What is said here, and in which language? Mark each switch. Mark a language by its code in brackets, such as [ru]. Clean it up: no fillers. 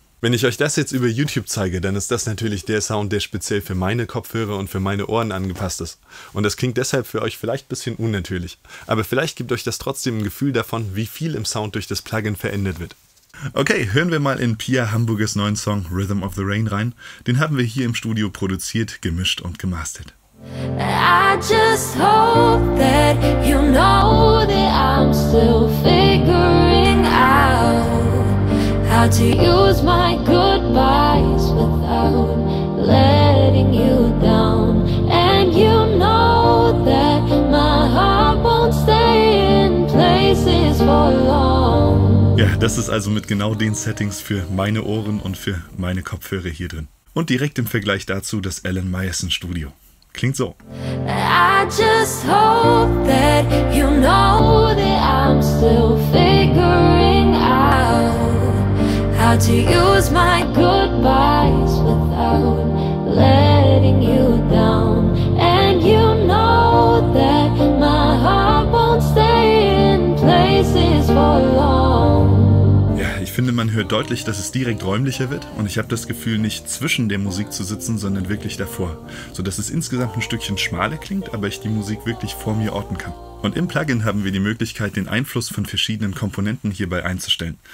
[de] Wenn ich euch das jetzt über YouTube zeige, dann ist das natürlich der Sound, der speziell für meine Kopfhörer und für meine Ohren angepasst ist. Und das klingt deshalb für euch vielleicht ein bisschen unnatürlich, aber vielleicht gibt euch das trotzdem ein Gefühl davon, wie viel im Sound durch das Plugin verändert wird. Okay, hören wir mal in Pia Hamburgers neuen Song Rhythm of the Rain rein. Den haben wir hier im Studio produziert, gemischt und gemastert. [en] I just hope that you know that I'm still figuring out how to use my goodbyes without letting you down. And you know that my heart won't stay in places for long. [de] Ja, das ist also mit genau den Settings für meine Ohren und für meine Kopfhörer hier drin. Und direkt im Vergleich dazu das Alan Meyerson Studio. Klingt so. [en] I just hope that you know that I'm still figuring out how to use my goodbyes without letting you down. And you know that my heart won't stay in places for long. [de] Ja, ich finde, man hört deutlich, dass es direkt räumlicher wird und ich habe das Gefühl, nicht zwischen der Musik zu sitzen, sondern wirklich davor. So dass es insgesamt ein Stückchen schmaler klingt, aber ich die Musik wirklich vor mir orten kann. Und im Plugin haben wir die Möglichkeit, den Einfluss von verschiedenen Komponenten hierbei einzustellen.